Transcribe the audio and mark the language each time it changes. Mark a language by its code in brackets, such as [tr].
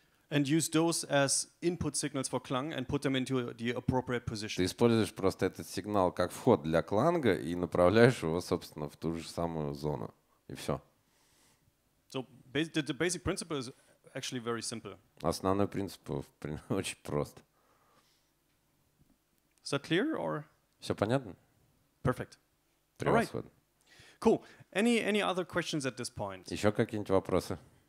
[en] And use those as input signals for Klang and put them into the appropriate position. [ru] Ты используешь просто этот сигнал как вход для Кланга и направляешь его, собственно, в ту же самую зону. И все. [en] So the basic principle is actually very simple. [ru] Основной принцип очень прост. [en] Is that clear or? [ru] Все понятно? [en] Perfect. Превосходно. All right. Cool. Any other questions at this point? [ru] Еще какие-нибудь вопросы?